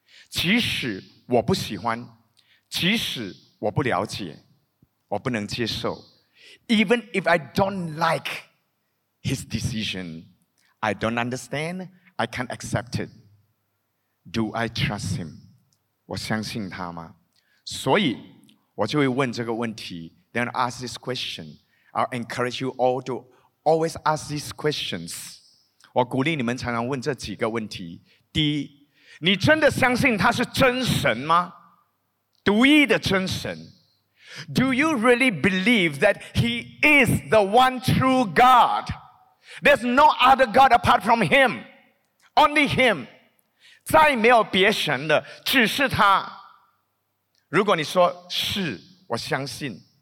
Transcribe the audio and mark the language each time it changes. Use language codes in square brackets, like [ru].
[zh] 即使我不喜欢，即使我不了解，我不能接受， [en] even if I don't like His decision, I don't understand, I can't accept it. Do I trust Him? [zh] 我相信他吗？所以我就会问这个问题， [en] then I'll ask this question. I'll encourage you all to always ask these questions. [zh] 我鼓励你们常常问这几个问题。第一，你真的相信他是真神吗？独一的真神。 [en] Do you really believe that He is the one true God? There's no other God apart from Him. Only Him. [zh] 再没有别神的，只是他。如果你说是，我相信。